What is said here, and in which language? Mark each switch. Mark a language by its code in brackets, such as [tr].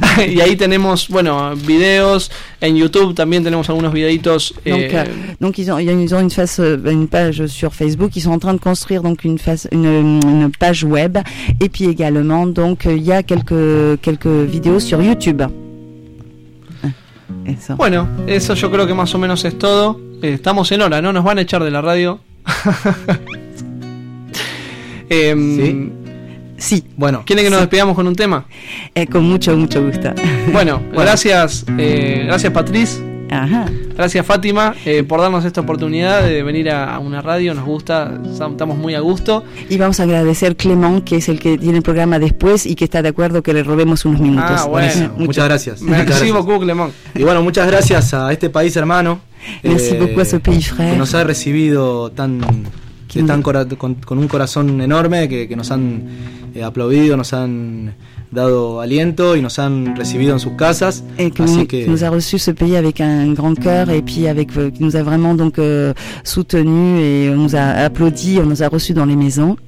[es] Y ahí tenemos, bueno, videos. En YouTube también tenemos algunos videitos. [fr] Donc ils ont une page sur Facebook. Ils sont en train de construire donc une page web. Et puis également, donc il y a quelques vidéos sur YouTube. [es] Eso. Bueno, eso yo creo que más o menos es todo. Estamos en hora, ¿no? Nos van a echar de la radio. Sí. Sí. Bueno, ¿quieren que nos despidamos con un tema? Con mucho gusto. Bueno, gracias, gracias Patriz. Ajá. Gracias Fátima por darnos esta oportunidad de venir a una radio. Nos gusta, estamos muy a gusto. Y vamos a agradecer Clement, que es el que tiene el programa después y que está de acuerdo que le robemos unos minutos. Ah, bueno, muchas gracias. Clement. Y bueno, muchas gracias a este país hermano. [fr] Merci beaucoup à ce pays frère. [es] Que nos ha recibido tan. Con un corazón enorme que nos han aplaudido, nos han dado aliento y nos han recibido en sus casas. [fr] Et que, [es] así que [fr] nous a reçu ce pays avec un grand cœur et puis avec nous a vraiment donc soutenu et on nous a applaudi, on nous a reçu dans les maisons.